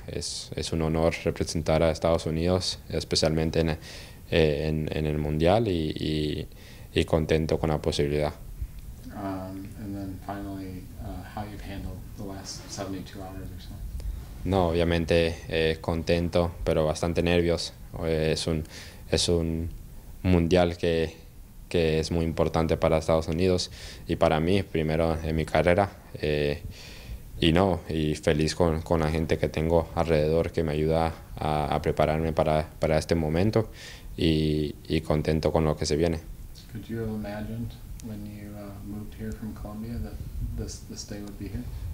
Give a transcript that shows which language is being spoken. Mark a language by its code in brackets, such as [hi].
[es] Es un honor representar a Estados Unidos, especialmente en el mundial, y contento con la posibilidad. [en] And then finally, how you've handled the last 72 hours or so. [es] No, obviamente contento, pero bastante nervios. Es un mundial que es muy importante para Estados Unidos y para mí, primero en mi carrera. Y feliz con la gente que tengo alrededor, que me ayuda a prepararme para este momento, y contento con lo que se viene. [en] Could you have imagined when you moved here from Colombia that this day would be here?